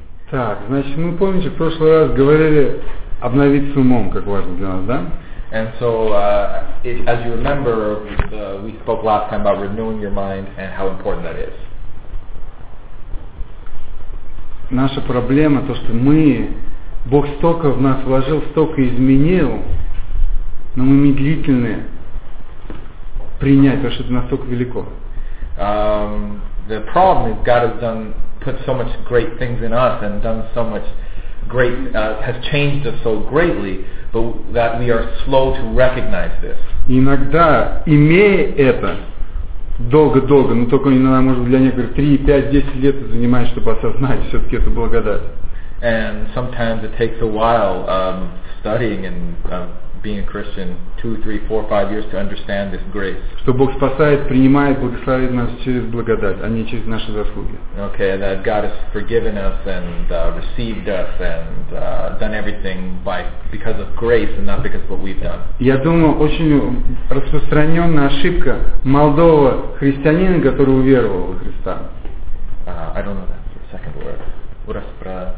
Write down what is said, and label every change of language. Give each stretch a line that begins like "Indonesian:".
Russian: Так, значит, мы помните, в прошлый раз говорили обновить с умом, как важно для нас, да?
English: And so, it, as you remember, we spoke last time about renewing your mind and how important that is.
Russian: Наша проблема, то, что мы, Бог столько в нас вложил, столько изменил, но мы медлительны принять, потому что это настолько велико.
English: The problem is God has done put so much great things in us and done so much great has changed us so greatly, but that we are slow to recognize this.
Russian: Иногда имея это долго-долго, ну только иногда может для некоторых 3-5-10 лет занимает, чтобы осознать все-таки эту благодать.
English: And sometimes it takes a while studying and being a Christian 2-3-4-5 years to understand this grace.
Russian: Что Бог спасает, принимает, благословит нас через благодать, а не через наши заслуги.
English: Okay, that God has forgiven us and received us and done everything by because of grace and not because of what we've done.
Russian: Я думаю, очень распространенная ошибка молодого христианина, который уверовал в Христа.
English: I don't know that for a second word.